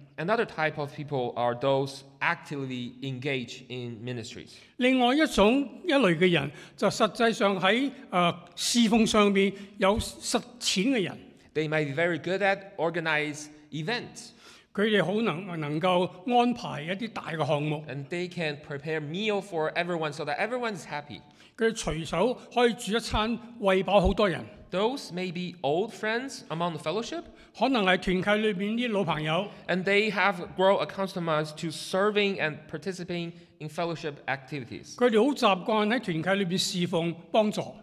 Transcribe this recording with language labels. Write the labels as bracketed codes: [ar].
[en] Another type of people are those actively engaged in ministries. [zh] 另外一種一類的人,就實際上在侍奉上面有實踐的人. [en] They might be very good at organized events. [zh] 他們很能夠安排一些大的項目. [en] And they can prepare meal for everyone so that everyone is happy. [zh] 他們隨手可以煮一餐,餵飽很多人. [en] Those may be old friends among the fellowship. [zh] 可能是團契裡面的老朋友, [en] and they have grown accustomed to serving and participating in fellowship activities. [zh] 他們很習慣在團契裡面侍奉幫助.